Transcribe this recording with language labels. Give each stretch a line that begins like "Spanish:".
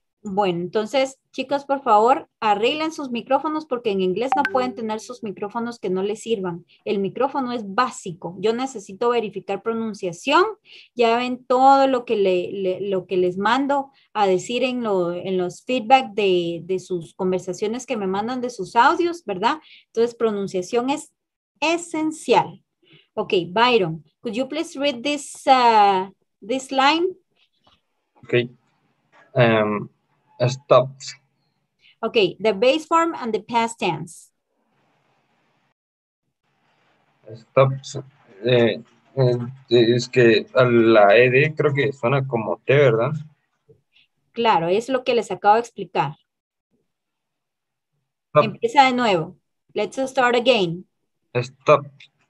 Spanish: Bueno, entonces, chicos, por favor, arreglen sus micrófonos porque en inglés no pueden tener sus micrófonos que no les sirvan. El micrófono es básico. Yo necesito verificar pronunciación. Ya ven todo lo que lo que les mando a decir en los feedback de sus conversaciones que me mandan de sus audios, ¿verdad? Entonces, pronunciación es esencial.
English: Ok, Byron, could you please read this, this line? Ok. Stopped. Okay, the base form and the past tense. Stopped.
Spanish: Es que la ED creo que suena como T, ¿verdad? Claro, es lo que les acabo de explicar. Stop. Empieza de nuevo.
English: Let's start again. Stopped.